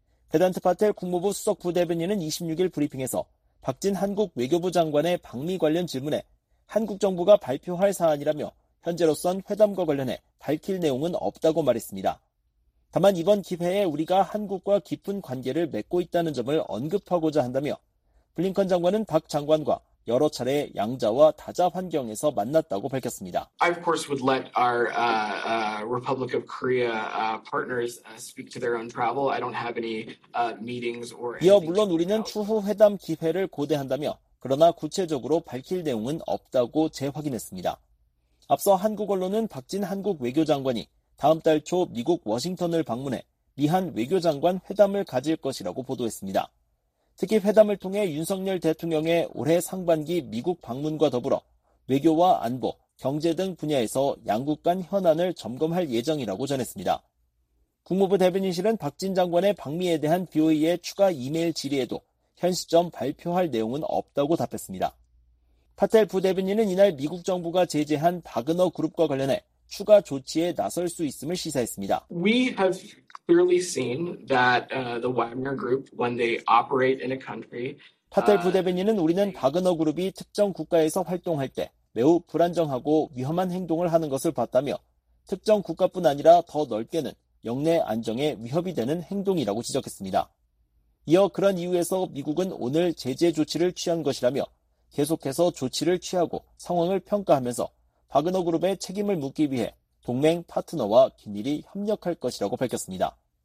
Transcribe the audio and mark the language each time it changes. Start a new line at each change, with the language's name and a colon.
Korean: 베단트 파텔 국무부 수석 부대변인은 26일 브리핑에서 박진 한국 외교부 장관의 방미 관련 질문에 한국 정부가 발표할 사안이라며 현재로선 회담과 관련해 밝힐 내용은 없다고 말했습니다. 다만 이번 기회에 우리가 한국과 깊은 관계를 맺고 있다는 점을 언급하고자 한다며 블링컨 장관은 박 장관과 여러 차례 양자와 다자 환경에서 만났다고 밝혔습니다.
English: I of course would let our Republic of Korea partners speak to their own travel. I don't have any meetings or anything.
Korean: 이어 물론 우리는 추후 회담 기회를 고대한다며 그러나 구체적으로 밝힐 내용은 없다고 재확인했습니다. 앞서 한국 언론은 박진 한국 외교장관이 다음 달 초 미국 워싱턴을 방문해 미한 외교장관 회담을 가질 것이라고 보도했습니다. 특히 회담을 통해 윤석열 대통령의 올해 상반기 미국 방문과 더불어 외교와 안보, 경제 등 분야에서 양국 간 현안을 점검할 예정이라고 전했습니다. 국무부 대변인실은 박진 장관의 방미에 대한 BOE의 추가 이메일 질의에도 현 시점 발표할 내용은 없다고 답했습니다. 파텔 부대변인은 이날 미국 정부가 제재한 바그너 그룹과 관련해 추가 조치에 나설 수 있음을 시사했습니다.
English: We have clearly seen that the Wagner group when they operate in a country.
Korean: 파텔 부대변인은 우리는 바그너 그룹이 특정 국가에서 활동할 때 매우 불안정하고 위험한 행동을 하는 것을 봤다며 특정 국가뿐 아니라 더 넓게는 영내 안정에 위협이 되는 행동이라고 지적했습니다. 이어 그런 이유에서 미국은 오늘 제재 조치를 취한 것이라며 계속해서 조치를 취하고 상황을 평가하면서 바그너 그룹의 책임을 묻기 위해 동맹 파트너와 긴밀히 협력할 것이라고 밝혔습니다.